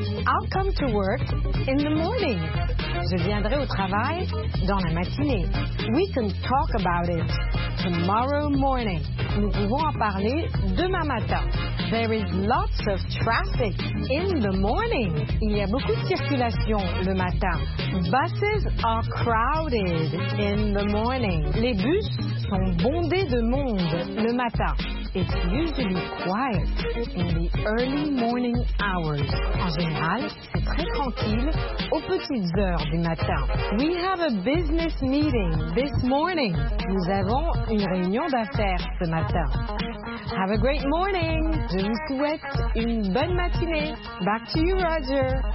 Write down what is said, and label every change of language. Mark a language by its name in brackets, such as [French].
[English] I'll come to work in the morning, [French] je viendrai au travail dans la matinée. [English] We can talk about it tomorrow morning. [French] Nous pouvons en parler demain matin. [English] There is lots of traffic in the morning. [French] Il y a beaucoup de circulation le matin. [English] Buses are crowded in the morning. [French] Les bus sont bondés de monde le matin. [English] It's usually quiet in the early morning hours. [French] En général, c'est très tranquille aux petites heures du matin. [English] We have a business meeting this morning. [French] Nous avons une réunion d'affaires ce matin. [English] Have a great morning. [French] Je vous souhaite une bonne matinée. [English] Back to you, Roger.